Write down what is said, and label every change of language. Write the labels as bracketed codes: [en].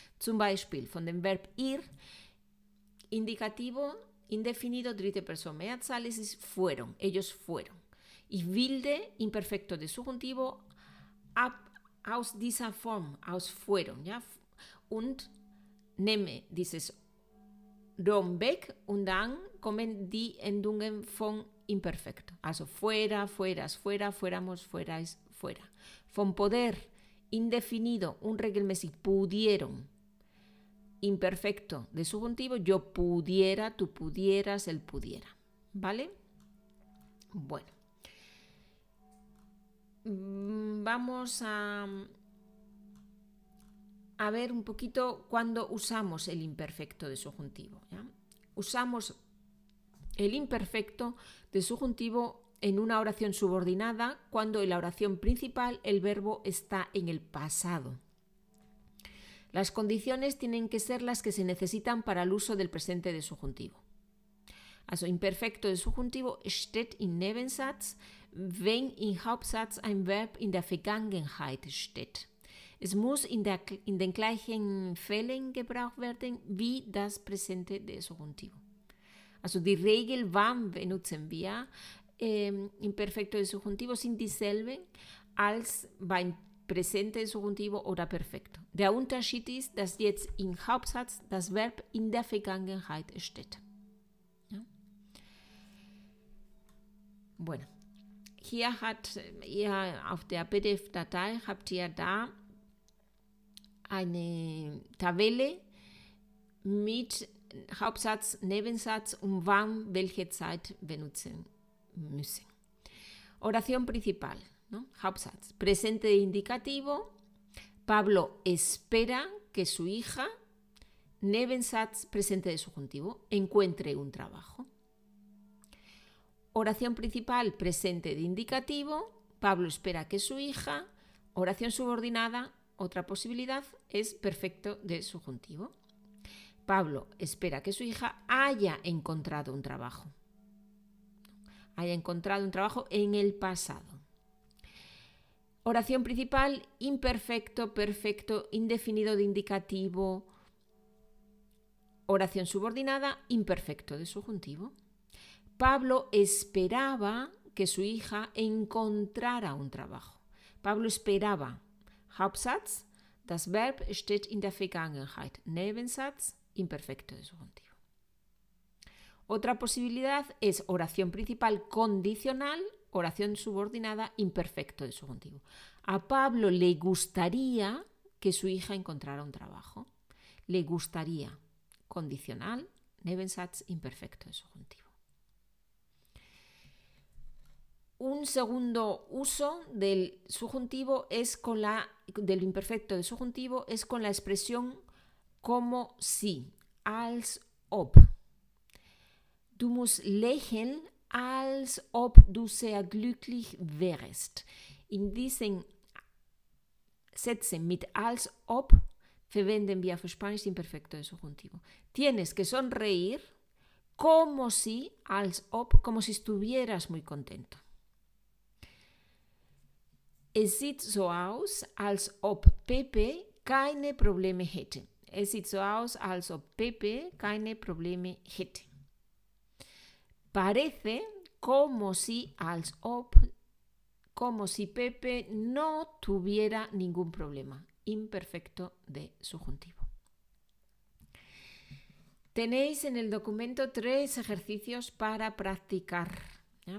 [de] Zum Beispiel von dem Verb ir, Indikativo, indefinido, dritte Person, Mehrzahl, es ist fueron, [es] ellos fueron. [de] Ich bilde im Perfekto de Subjuntivo ab aus dieser Form, aus fueron, ja? Und nehme dieses Rom weg und dann kommen die Endungen von Imperfekt. [es] Also fuera, fueras, fuera, fuéramos, fuerais, fuera. [de] Von poder, indefinido, unregelmäßig, pudieron. [es] Imperfecto de subjuntivo, yo pudiera, tú pudieras, él pudiera. ¿Vale? Bueno. Vamos a ver un poquito cuando usamos el imperfecto de subjuntivo, ¿ya? Usamos el imperfecto de subjuntivo en una oración subordinada cuando en la oración principal el verbo está en el pasado. Las condiciones tienen que ser las que se necesitan para el uso del presente de subjuntivo. [de] Also imperfecto de subjuntivo steht im Nebensatz, wenn im Hauptsatz ein Verb in der Vergangenheit steht. Es muss in den gleichen Fällen gebraucht werden wie das Präsente de Subjuntivo. Also die Regel, wann benutzen wir Imperfecto de Subjuntivo, sind dieselbe als beim Präsente de Subjuntivo oder Perfecto. Der Unterschied ist, dass jetzt im Hauptsatz das Verb in der Vergangenheit steht. Ja? Bueno, hier habt ihr auf der PDF-Datei, habt ihr da eine Tabelle mit Hauptsatz, Nebensatz und wann welche Zeit benutzen müssen. [es] Oración principal, ¿no? Hauptsatz. Presente de indicativo. Pablo espera que su hija. Nebensatz, presente de subjuntivo. Encuentre un trabajo. Oración principal, presente de indicativo. Pablo espera que su hija. Oración subordinada. Otra posibilidad es perfecto de subjuntivo. Pablo espera que su hija haya encontrado un trabajo. Haya encontrado un trabajo en el pasado. Oración principal, imperfecto, perfecto, indefinido de indicativo. Oración subordinada, imperfecto de subjuntivo. Pablo esperaba que su hija encontrara un trabajo. Pablo esperaba. [de] Hauptsatz, das Verb steht in der Vergangenheit. [es] Nebensatz, imperfecto de subjuntivo. Otra posibilidad es oración principal condicional, oración subordinada, imperfecto de subjuntivo. A Pablo le gustaría que su hija encontrara un trabajo. Le gustaría, condicional, nebensatz, imperfecto de subjuntivo. Un segundo uso del subjuntivo es con la del imperfecto de subjuntivo es con la expresión como si, [de] als ob. Du musst lächeln, als ob du sehr glücklich wärst. In diesen Sätzen mit als ob verwenden wir auf Spanisch den imperfecto de subjuntivo. [es] Tienes que sonreír como si, [de] als ob, [es] como si estuvieras muy contento. [de] Es sieht so aus, als ob Pepe keine Probleme hätte. Es sieht so aus, als ob Pepe keine Probleme hätte. [es] Parece como si, [de] als ob, [es] como si Pepe no tuviera ningún problema. Imperfecto de subjuntivo. Tenéis en el documento tres ejercicios para practicar. ¿Ya?